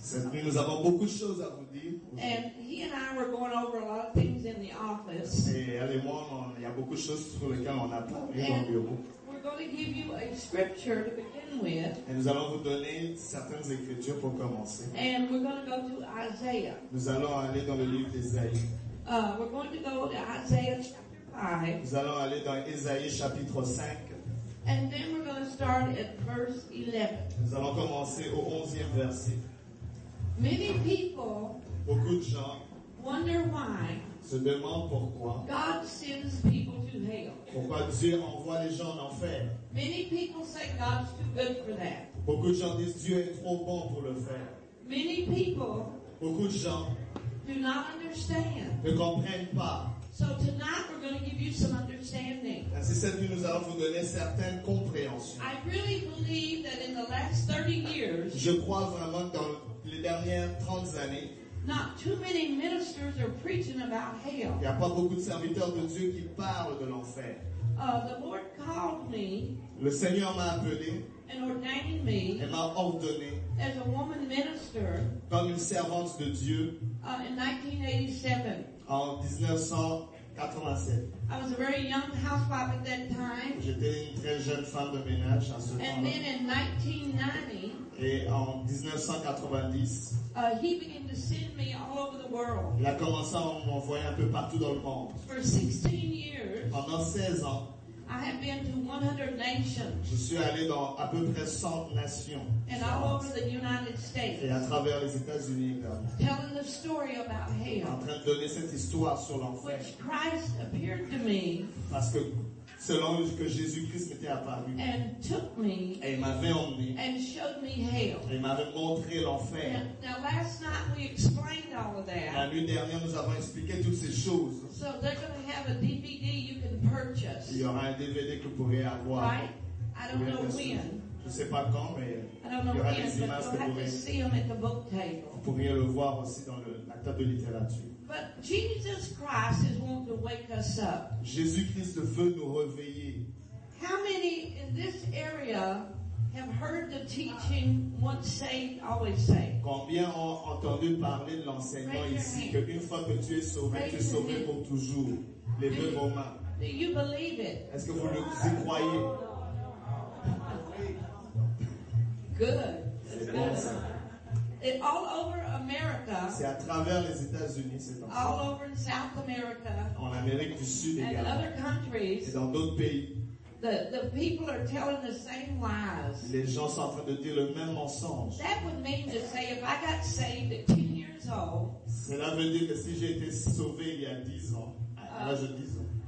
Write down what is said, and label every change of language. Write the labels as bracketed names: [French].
[French] Cette nuit, nous avons beaucoup de choses à vous dire. [English] And he and I were going over a lot of things in the office. [French] Et elle et moi, il y a beaucoup de choses sur lesquelles on a parlé dans le bureau. [English] We're going to give you a scripture to begin with. [French] Et nous allons vous donner certaines écritures pour commencer. [English] And we're going to go to Isaiah. [French] Nous allons aller dans le livre d'Ésaïe. [English] We're going to go to Isaiah chapter 5. [French] Nous allons aller dans Ésaïe chapitre 5. [English] And then we're going to start at verse 11. [French] Nous allons commencer au 11e verset. [English] Many people, [French] beaucoup de gens, [English] wonder why, [French] se demandent pourquoi, [English] God sends people to hell. [French] Pourquoi Dieu envoie les gens en enfer. [English] Many people say God's too good for that. [French] Beaucoup de gens disent Dieu est trop bon pour le faire. [English] Many people, [French] beaucoup de gens, [English] do not understand. [French] Ne comprennent pas. [English] So tonight we're going to give you some understanding. [French] Ainsi cette nuit nous allons vous donner certaines compréhensions. [English] I really believe that in the last 30 years, [French] je crois vraiment que dans les dernières 30 années, [English] not too many ministers are preaching about hell. [French] Il n'y a pas beaucoup de serviteurs de Dieu qui parlent de l'enfer. [English] The Lord called me. [French] Le Seigneur m'a appelé. [English] And ordained me. [French] Et m'a ordonné. [English] As a woman minister. [French] Comme une servante de Dieu. [English] In 1987. [French] En 1987. [English] I was a very young housewife at that time. [French] J'étais une très jeune femme de ménage à ce moment-là. [English] And then in 1990. [French] Et en 1990. [English] He began to send me all over the world. [French] Il a commencé à m'envoyer un peu partout dans le monde. [English] For 16 years. [French] Pendant 16 ans. [English] I have been to 100 nations. [French] Je suis allé dans à peu près 100 nations. [English] And all over the United States. [French] Et à travers les États-Unis également. [English] Telling the story about hell. [French] En train de donner cette histoire sur l'enfer. [English] Which Christ appeared to me. [French] Parce que selon ce que Jésus-Christ m'était apparu. [English] And took me. [French] Et il m'avait emmené. [English] And showed me hell. [French] Et il m'avait montré l'enfer. [English] Now last night we explained all of that. [French] La nuit dernière, nous avons expliqué toutes ces choses. [English] So they're going to have a DVD you can purchase. [French] Il y aura un DVD que vous pourrez avoir. [English] Right? I don't know when. [French] Je ne sais pas quand, mais il y aura des images que vous pourriez le voir aussi dans la table de littérature. [English] But Jesus Christ is wanting to wake us up. [French] Jésus-Christ veut nous réveiller. [English] How many in this area have heard the teaching once saved, always saved? [French] Combien ont entendu parler de l'enseignement ici que une fois que tu es sauvé, tu es sauvé pour toujours. Les deux vos mains. [English] Do you believe it? [French] Est-ce que vous le y croyez? [English] Good. [French] C'est bon. [English] It, all over America. [French] C'est à travers les États-Unis, c'est [English] en all over in South America. [French] En Amérique du Sud [English] and [French] également. [English] And other countries. [French] Et dans d'autres pays. [English] The people are telling the same lies. [French] Les gens sont en train de dire le même mensonge. [English] That would mean to say if I got saved at 10 years old. [French] Cela veut dire que si j'ai été sauvé il y a 10 ans, à l'âge de 10 ans.